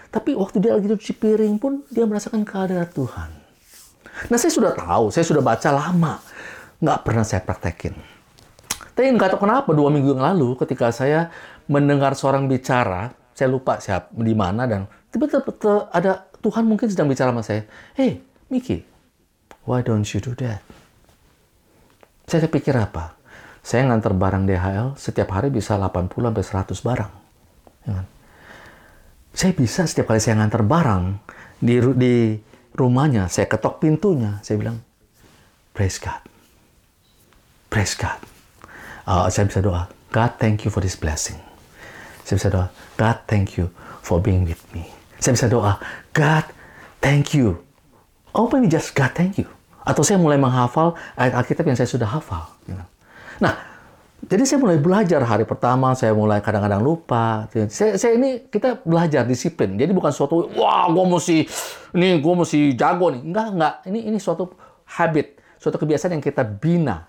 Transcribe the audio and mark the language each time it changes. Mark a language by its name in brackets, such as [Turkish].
[Indonesian] Tapi waktu dia lagi cuci piring pun, dia merasakan kehadiran Tuhan. Nah, saya sudah tahu, saya sudah baca lama. Nggak pernah saya praktekin. Tapi nggak tahu kenapa, 2 minggu yang lalu, ketika saya mendengar seorang bicara, saya lupa siapa, di mana, dan tiba-tiba ada Tuhan mungkin sedang bicara sama saya. [English] Hey, Miki, why don't you do that? [Indonesian] Saya kepikir apa? Saya ngantar barang DHL, setiap hari bisa 80-100 barang. Saya bisa setiap kali saya ngantar barang di rumahnya, saya ketok pintunya, saya bilang, [English] praise God. Praise God. [Indonesian] Saya bisa doa, [English] God, thank you for this blessing. [Indonesian] Saya bisa doa, [English] God, thank you for being with me. Saya bisa doa, God, thank you. Oh, maybe just God, thank you. [Indonesian] Atau saya mulai menghafal ayat Alkitab yang saya sudah hafal. Nah, jadi saya mulai belajar hari pertama, saya mulai kadang-kadang lupa. Saya ini, kita belajar disiplin. Jadi bukan suatu, wah, gue mesti jago nih. Enggak. Ini suatu habit, suatu kebiasaan yang kita bina.